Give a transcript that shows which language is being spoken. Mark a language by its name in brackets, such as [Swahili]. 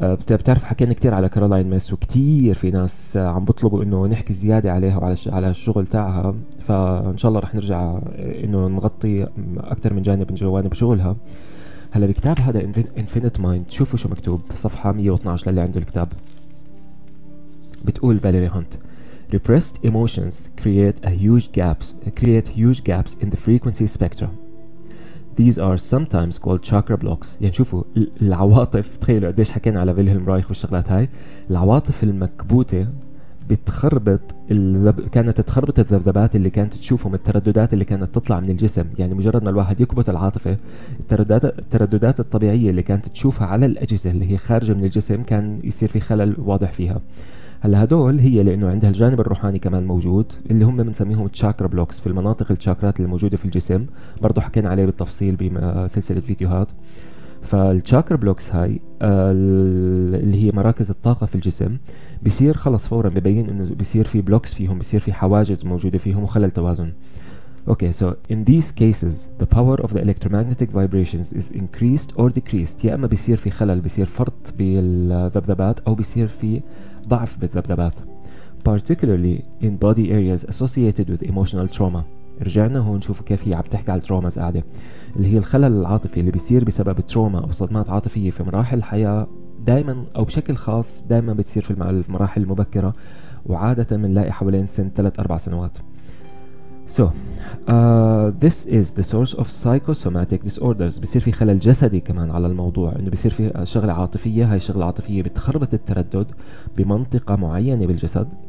[Arabic] بتعرف حكينا كتير على كارولاين ميس وكتير في ناس عم بطلبوا انه نحكي زيادة عليها وعلى على الشغل تاعها، فان شاء الله رح نرجع انه نغطي اكتر من جانب من جوانب شغلها. هلا الكتاب هذا انفينيت مايند، شوفوا شو مكتوب صفحة 112 للي عنده الكتاب. بتقول فاليري هانت: [English] Repressed emotions create huge gaps in the frequency spectrum. These are sometimes called chakra blocks. [Arabic] يعني شوفوا العواطف، تخيلوا قديش حكينا على فيلهلم رايخ والشغلات هاي، العواطف المكبوتة بتخربط كانت تخربط الذبذبات اللي كانت تشوفهم، الترددات اللي كانت تطلع من الجسم. يعني مجرد ما الواحد يكبت العاطفة، الترددات الطبيعية اللي كانت تشوفها على الأجهزة اللي هي خارجة من الجسم كان يصير في خلل واضح فيها. هلا هدول هي لأنه عندها الجانب الروحاني كمان موجود اللي هم بنسميهم تشاكرا بلوكس في المناطق التشاكرات اللي موجودة في الجسم، برضو حكينا عليه بالتفصيل بسلسلة فيديوهات. فالتشاكرا بلوكس هاي اللي هي مراكز الطاقة في الجسم بيصير خلص فورا ببين أنه بيصير في بلوكس فيهم، بيصير في حواجز موجودة فيهم وخلل توازن. [English] Okay, so in these cases, the power of the electromagnetic vibrations is increased or decreased. [Arabic] يا أما بيصير في خلل، بيصير فرط بالذبذبات، أو بيصير في ضعف بالذبذبات. [English] Particularly in body areas associated with emotional trauma. [Arabic] رجعنا هون شوفوا كيف هي عم تحكي على traumas قاعدة، اللي هي الخلل العاطفي اللي بيصير بسبب trauma أو صدمات عاطفية في مراحل الحياة دائما أو بشكل خاص دائما بتصير في المراحل المبكرة، وعادة بنلاقي حوالين سن 3-4 سنوات. [English] So, this is the source of psychosomatic disorders. [Arabic] بصير في خلل جسدي كمان على الموضوع، إنه بصير في شغلة عاطفية، هاي شغلة عاطفية بتخربط التردد بمنطقة معينة بالجسد.